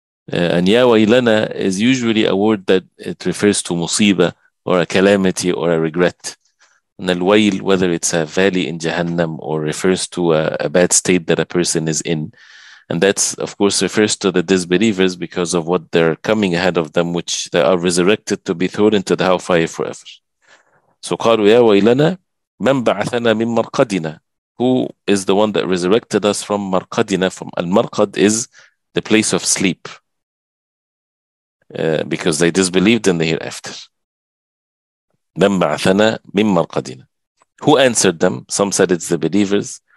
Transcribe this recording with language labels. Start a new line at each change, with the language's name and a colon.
English: And
Arabic: يَا وَيْلَنَا
English: is usually a word that it refers to musiba or a calamity or a regret. And الويل, whether it's a valley in Jahannam or refers to a bad state that a person is in. And that's, of course, refers to the disbelievers because of what they're coming ahead of them, which they are resurrected to be thrown into the hellfire forever.
Arabic: So قالوا يا ويلنا من بعثنا من مرقدنا.
English: Who is the one that resurrected us from مرقدنا? From المرقد is the place of sleep. Because they disbelieved in the hereafter.
Arabic: من بعثنا من مرقدنا.
English: Who answered them? Some said it's the believers.